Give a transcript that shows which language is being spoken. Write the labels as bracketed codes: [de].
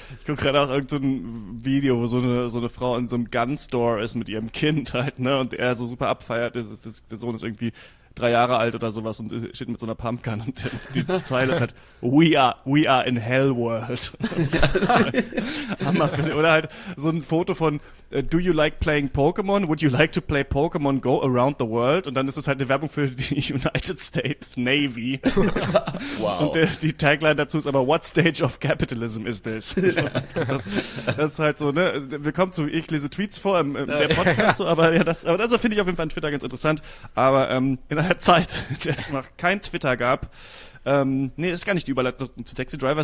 [de] Ich gucke gerade auch irgendein Video, wo so eine Frau in so einem Gun-Store ist mit ihrem Kind halt, ne, und er so super abfeiert, der Sohn ist irgendwie 3 Jahre alt oder sowas und steht mit so einer Pumpgun und die Zeile ist halt [en] we are in hell world. [de] Hammer, finde ich. Oder halt so ein Foto von [en] do you like playing Pokemon? Would you like to play Pokemon Go around the world? [de] Und dann ist es halt eine Werbung für die United States Navy. Wow. Und die Tagline dazu ist aber [en] what stage of capitalism is this? [de] Das ist halt so, ne? Willkommen zu, ich lese Tweets vor im der Podcast, so, aber das finde ich auf jeden Fall an Twitter ganz interessant, aber in einer Zeit, in der es noch kein Twitter gab, ist gar nicht die Überleitung zu Taxi Driver.